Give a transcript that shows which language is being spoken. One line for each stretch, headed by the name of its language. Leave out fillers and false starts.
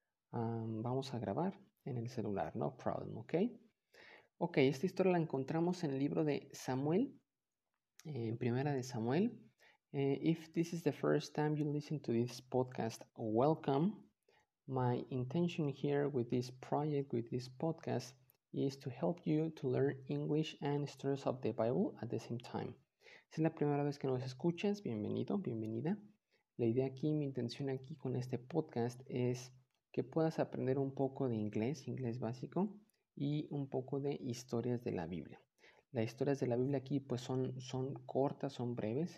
Spanish: Vamos a grabar en el celular,
English: no problem,
Spanish: ¿ok? Ok, esta historia la encontramos en el libro de Samuel, en Primera de Samuel.
English: If this is the first time you listen to this podcast, welcome. My intention here with this project, with this podcast, is to help you to learn English and stories of the Bible at the same time.
Spanish: Si es la primera vez que nos escuchas, bienvenido, bienvenida. La idea aquí, mi intención aquí con este podcast es que puedas aprender un poco de inglés, inglés básico, y un poco de historias de la Biblia. Las historias de la Biblia aquí pues son cortas, son breves.